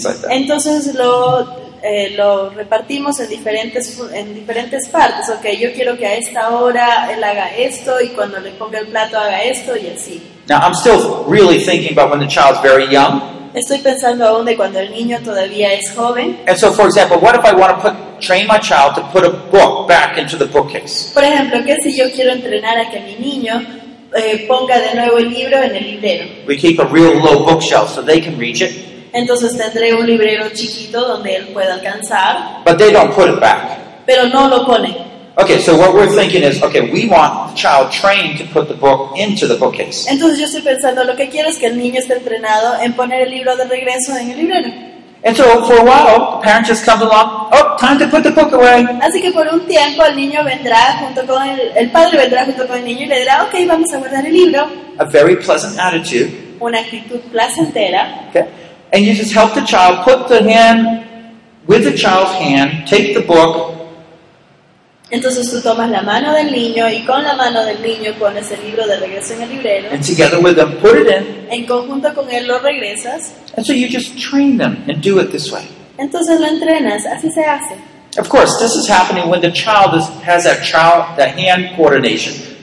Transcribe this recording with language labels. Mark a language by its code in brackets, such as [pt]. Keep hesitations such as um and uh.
[es] Entonces lo eh, lo repartimos en diferentes, en diferentes partes. Ok, yo quiero que a esta hora él haga esto y cuando le ponga el plato haga esto y así. [en] Now, I'm still really thinking about when the child's very young. [es] Estoy pensando aún de cuando el niño todavía es joven. [en] And so, for example, what if I want to put, train my child to put a book back into the bookcase? [es] Por ejemplo, ¿qué si yo quiero entrenar a que mi niño eh, ponga de nuevo el libro en el librero? [en] We keep a real low bookshelf so they can reach it. [es] Entonces tendré un librero chiquito donde él pueda alcanzar. [en] But they don't put it back. [es] Pero no lo pone. [en] Okay, so what we're thinking is, okay, we want the child trained to put the book into the bookcase. [es] Entonces yo estoy pensando, lo que quiero es que el niño esté entrenado en poner el libro de regreso en el librero. [en] And so for a while, the parent just comes along. Oh, time to put the book away. [es] Así que por un tiempo el niño vendrá junto con el, el padre vendrá junto con el niño y le dirá, okay, vamos a guardar el libro. [en] A very pleasant attitude. [es] Una actitud placentera. [en] Okay. and you just help the child put the hand with the child's hand, take the book. [es] Entonces tú tomas la mano del niño y con la mano del niño pones el libro de regreso en el librero. [en] And together with them put it in. [es] En conjunto con él lo regresas. [en] And so you just train them and do it this way. [es] Entonces lo entrenas, así se hace. [en] Of course, this is happening when the child has that child, that hand coordination.